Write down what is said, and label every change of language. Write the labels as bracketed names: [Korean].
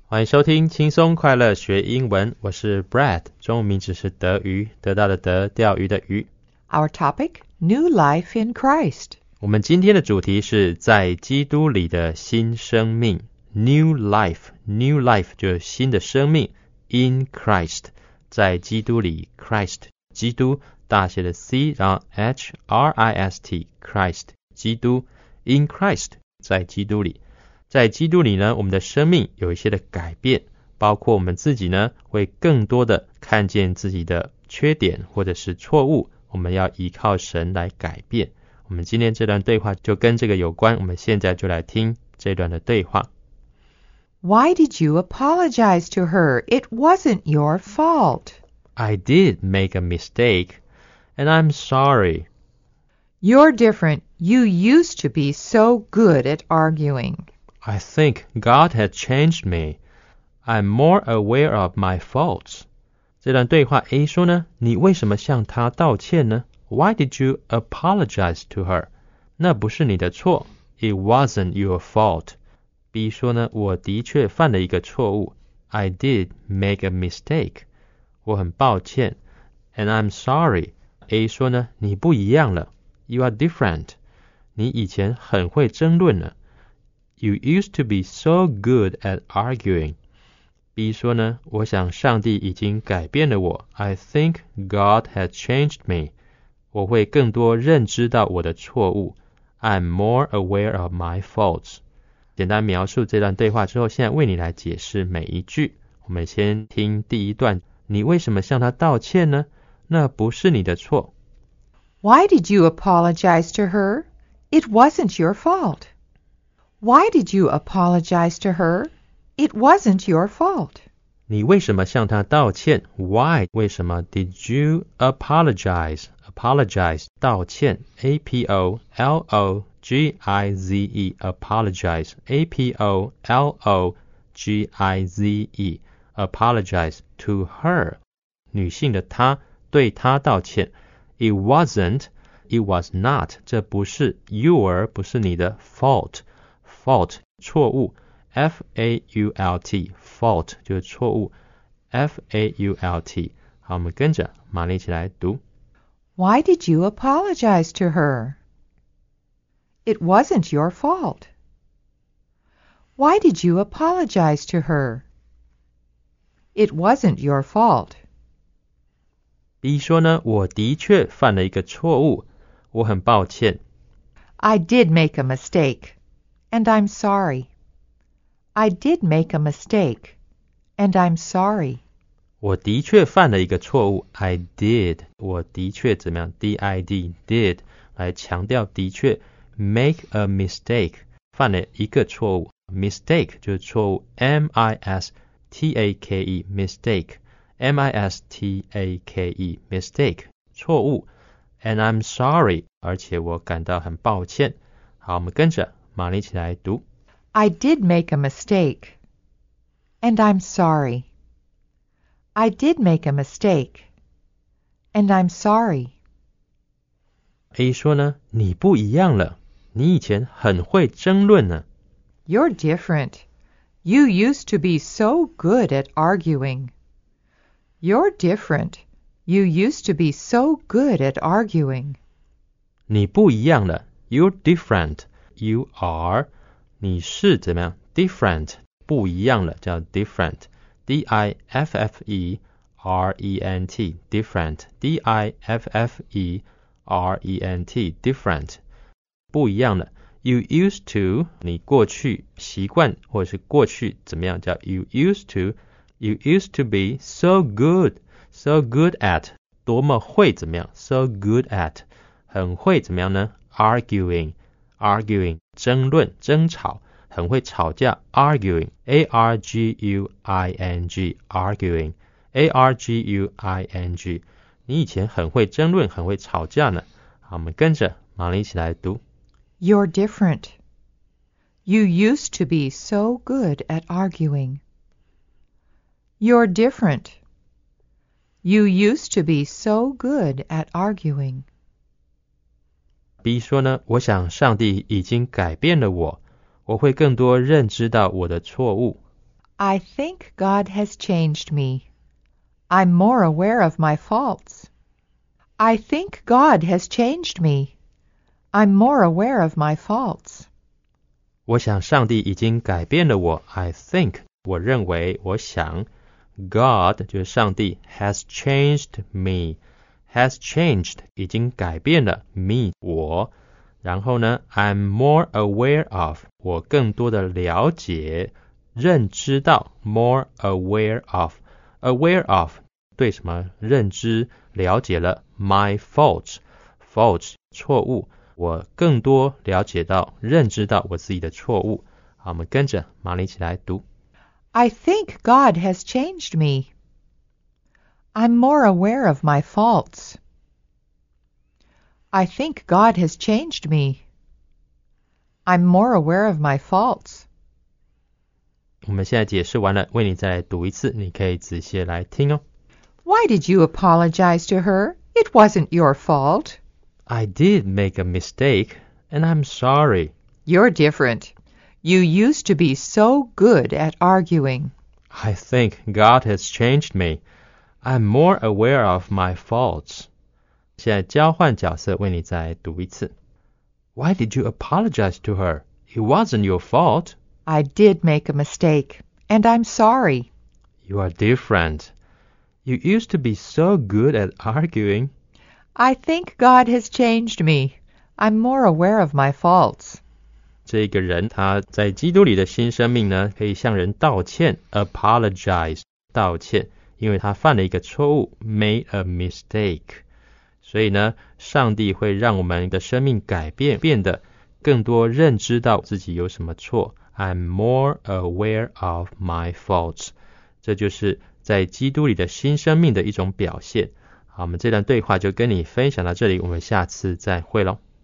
[Chinese] 欢迎收听轻松快乐学英文。我是 Brad, 中文名字是德鱼，得到的德，钓鱼的鱼。 [English] Our topic, New Life in Christ. [Chinese] 我们今天的主题是在基督里的新生命。 [English] New Life, New Life [Chinese] 就是新的生命。 [English] In Christ, [Chinese] 在基督里 ,Christ, 基督大写的 C, 然后 H-R-I-S-T, Christ, 基督 ,In Christ, 在基督里。在基督里呢，我们的生命有一些的改变，包括我们自己呢会更多的看见自己的缺点或者是错误，我们要依靠神来改变。我们今天这段对话就跟这个有关，我们现在就来听这段的对话。 [English] Why did you apologize to her? It wasn't your fault. I did make a mistake, and I'm sorry. You're different. You used to be so good at arguing. I think God had changed me. I'm more aware of my faults. [Chinese] 这段对话 A 说呢，你为什么向她道歉呢？ [English] Why did you apologize to her? [Chinese] 那不是你的错。 [English] It wasn't your fault. [Chinese] B 说呢，我的确犯了一个错误。 [English] I did make a mistake. [Chinese] 我很抱歉。 [English] And I'm sorry. [Chinese] A 说呢，你不一样了。 [English] You are different. [Chinese] 你以前很会争论呢。 [English] You used to be so good at arguing. [Chinese] B 说呢，我想上帝已经改变了我。 [English] I think God has changed me. [Chinese] 我会更多认知到我的错误。 [English] I'm more aware of my faults. [Chinese] 简单描述这段对话之后，现在为你来解释每一句。我们先听第一段。你为什么向他道歉呢？那不是你的错。 [English] Why did you apologize to her? It wasn't your fault. Why did you apologize to her? It wasn't your fault. [Chinese] 你为什么向她道歉?Why? 为什么? [English] Did you apologize? Apologize, 道歉. A-P-O-L-O-G-I-Z-E, apologize. A-P-O-L-O-G-I-Z-E, apologize to her. [Chinese] 女性的她对她道歉. [English] It wasn't, it was not, [Chinese] 这不是 [English] your, [Chinese] 不是你的 [English] fault. [Chinese] Fault, 错误 F-A-U-L-T, fault, 就是错误 F-A-U-L-T 好我们跟着玛丽一起来读 [English] Why did you apologize to her? It wasn't your fault. Why did you apologize to her? It wasn't your fault. [Chinese] B 说呢我的确犯了一个错误我很抱歉 [English] I did make a mistake. And I'm sorry. I did make a mistake. And I'm sorry. [Chinese] 我的确犯了一个错误。 [English] I did. [Chinese] 我的确怎么样 ?D-I-D, did. 来强调的确。 [English] Make a mistake. [Chinese] 犯了一个错误。 Mistake 就是错误。 [English] M-I-S-T-A-K-E, mistake. M-I-S-T-A-K-E, mistake. 错误。 And I'm sorry. [Chinese] 而且我感到很抱歉。好我们跟着。 [English] I did make a mistake, and I'm sorry. I did make a mistake, and I'm sorry. [Chinese] A 说呢，你不一样了，你以前很会争论呢。 [English] You're different. You used to be so good at arguing. You're different. You used to be so good at arguing. [Chinese] 你不一样了 ， [English] You're different. You are, [Chinese] 你是怎么样 [English] ?different, [Chinese] 不一样了叫 [English] different, D-I-F-F-E-R-E-N-T, different, D-I-F-F-E-R-E-N-T, different, 不一样了。 You used to, [Chinese] 你过去习惯或者是过去怎么样叫 [English] you used to be so good, so good at, [Chinese] 多么会怎么样 ？ [English] So good at， [Chinese] 很会怎么样呢 ？Arguing， 争论、争吵，很会吵架。 [English] Arguing，A R G U I N G，Arguing，A R G U I N G。 [Chinese] 你以前很会争论，很会吵架呢。好，我们跟着玛丽一起来读。 [English] You're different. You used to be so good at arguing. You're different. You used to be so good at arguing. [Chinese] B 说呢，我想上帝已经改变了我，我会更多认知到我的错误。 [English] I think God has changed me. I'm more aware of my faults. I think God has changed me. I'm more aware of my faults. [Chinese] 我想上帝已经改变了我。 [English] I think, [Chinese] 我认为，我想。 [English] God, [Chinese] 就是上帝 [English] ,has changed me. Has changed, [Chinese] 已经改变了 [English] me, 我。 [Chinese] 然后呢 [English] ,I'm more aware of, [Chinese] 我更多的了解，认知到 [English] ,more aware of. Aware of, [Chinese] 对什么认知了解了 [English] ,my faults. Faults, 错误。 [Chinese] 我更多了解到、认知到我自己的错误。好，我们跟着玛丽一起来读。 [English] I think God has changed me. I'm more aware of my faults. I think God has changed me. I'm more aware of my faults. [Chinese] 我们现在解释完了，为你再来读一次，你可以仔细来听哦。 [English] Why did you apologize to her? It wasn't your fault. I did make a mistake, and I'm sorry. You're different. You used to be so good at arguing. I think God has changed me. I'm more aware of my faults. [Chinese] 现在交换角色为你再读一次。 [English] Why did you apologize to her? It wasn't your fault. I did make a mistake, and I'm sorry. You are different. You used to be so good at arguing. I think God has changed me. I'm more aware of my faults. [Chinese] 这个人他在基督里的新生命呢，可以向人道歉 ，apologize， 道歉，因为他犯了一个错误 ， [English] made a mistake。 [Chinese] 所以呢，上帝会让我们的生命改变，变得更多认知到自己有什么错。 [English] I'm more aware of my faults. [Chinese] 这就是在基督里的新生命的一种表现。好，我们这段对话就跟你分享到这里，我们下次再会咯。